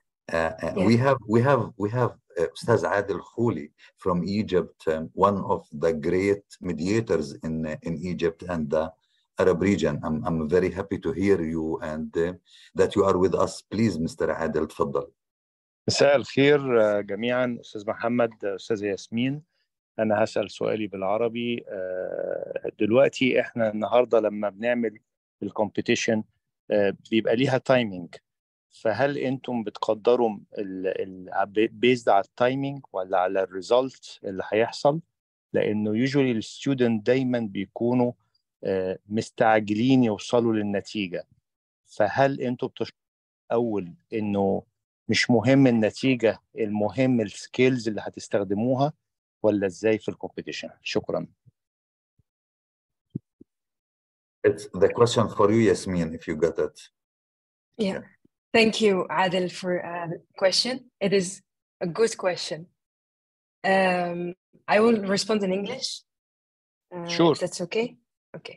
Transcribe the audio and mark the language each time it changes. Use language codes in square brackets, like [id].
[en] We have Ustaz Adel Khouli from Egypt, one of the great mediators in Egypt and the Arab region. I'm very happy to hear you and that you are with us. Please, Mr. Adel, tafaddal. [ar] مساء الخير جميعا استاذ محمد استاذ ياسمين انا هسال سؤالي بالعربي دلوقتي احنا النهارده لما بنعمل الكومبيتيشن بيبقى ليها تايمينج، فهل انتم بتقدروا based على التايمينج ولا على الريزلت اللي هيحصل؟ لانه يوجوالي الستودنت دايما بيكونوا مستعجلين يوصلوا للنتيجه، فهل انتم اول انه مش مهم النتيجه، المهم السكيلز اللي هتستخدموها، ولا ازاي في الكومبيتيشن؟ شكرا. [en] It's the question for you, Yasmin, if you got it. Yeah. Thank you, Adel, for the question. It is a good question. I will respond in English. Sure. If that's okay. Okay.